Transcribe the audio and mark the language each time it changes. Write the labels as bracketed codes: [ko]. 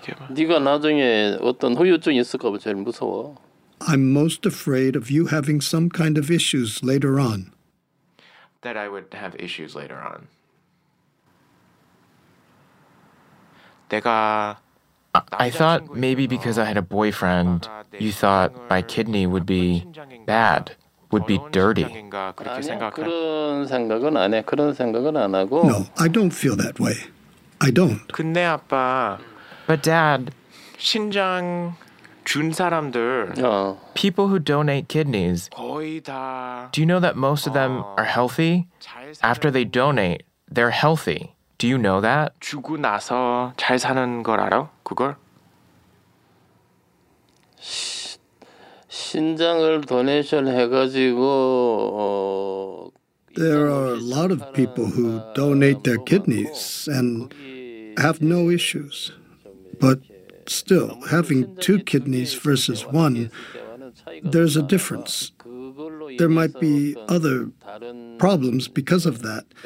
[ko] 네가 나중에 어떤 후유증 있을까 봐 제일 무서워. [en] I'm most afraid of you having some kind of issues later on. That I would have issues later on. [ko] 내가 [en] I thought maybe because I had a boyfriend, you thought my kidney would be bad, would be dirty. [ko] 그런 생각은 안 해. 그런 생각은 안 하고. [en] No, I don't feel that way. I don't. [ko] 근데 아빠, [en] but Dad, [ko] 신장 준 사람들, [en] people who donate kidneys, [ko] 거의 다, [en] do you know that most of them are healthy? After they donate, they're healthy. Do you know that? [ko] 죽고 나서 잘 사는 걸 알아? 그걸? 신장을 도네이션 해가지고 [en] There are a lot of people who donate their kidneys and have no issues. But still, having two kidneys versus one, there's a difference. There might be other problems because of that.